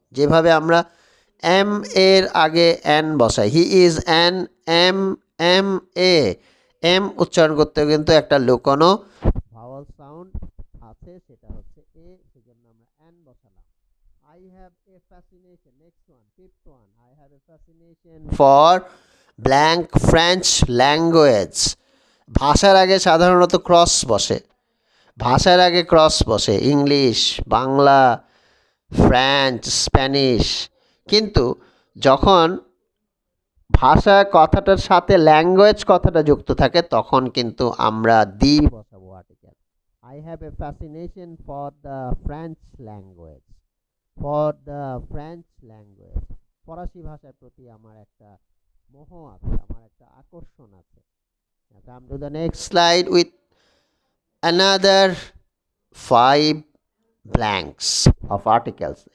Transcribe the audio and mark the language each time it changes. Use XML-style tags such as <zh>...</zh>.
<bn>যেভাবে আমরা এম এর আগে অ্যান বসাই,</bn> <en>he is an M M A,</en> <bn>M উচ্চারণ করতে কিন্তু একটা লুকানো ভাওয়াল সাউন্ড আছে, সেটা হচ্ছে এ, সেজন্য আমরা অ্যান বসালাম।</bn> <en>I have a fascination. Next one, fifth one. I have a fascination for blank French language.</en> <bn>ভাষার আগে সাধারণত ক্রস বসে, ভাষার আগে ক্রস বসে, ইংলিশ, বাংলা, ফ্রেঞ্চ, স্প্যানিশ। কিন্তু যখন ভাষা কথাটার সাথে ল্যাঙ্গুয়েজ কথাটা যুক্ত থাকে, তখন কিন্তু আমরা দি বসাবো article.</bn> <en>I have a fascination for the French language. For the French language,</en> <bn>ফরাসি ভাষার প্রতি আমার একটা মোহ আছে, আমার একটা আকর্ষণ আছে।</bn> <en>Come to the next slide with another five blanks of articles.</en>